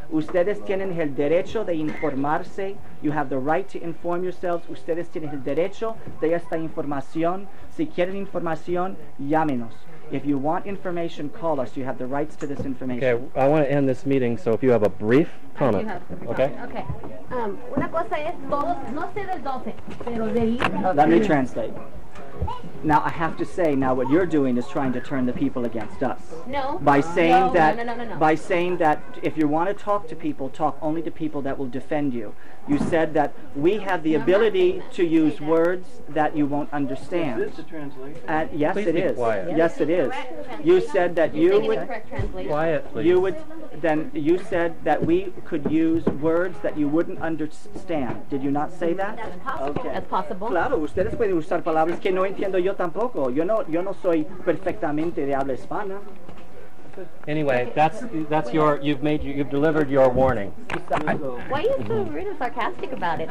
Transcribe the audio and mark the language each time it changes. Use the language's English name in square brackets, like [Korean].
[Spanish] Ustedes tienen el derecho de informarse. [English] You have the right to inform yourselves. [Spanish] Ustedes tienen el derecho de esta información. Si quieren información, llámenos. [English] If you want information, call us. You have the rights to this information. Okay, I want to end this meeting, so if you have a brief comment. Okay. Okay. [Spanish] Una cosa es, todos, no sé del Dolphin, pero de Lee. [English] Let me translate. Now, I have to say, now what you're doing is trying to turn the people against us. No. By saying that if you want to talk to people, talk only to people that will defend you. You said that we have the ability to use words that you won't understand. Is this a translation? Yes, please it is. Quiet. Yes, it is. You said that you would... Quiet, please. You would... Then you said that we could use words that you wouldn't understand. Did you not say that? That's possible. Okay. That's possible. [Spanish] Claro, ustedes pueden usar palabras que no entiendo yo tampoco. Yo no soy perfectamente de habla hispana. [English] Okay. Anyway, that's your you've delivered your warning. Why are you so rude and sarcastic about it?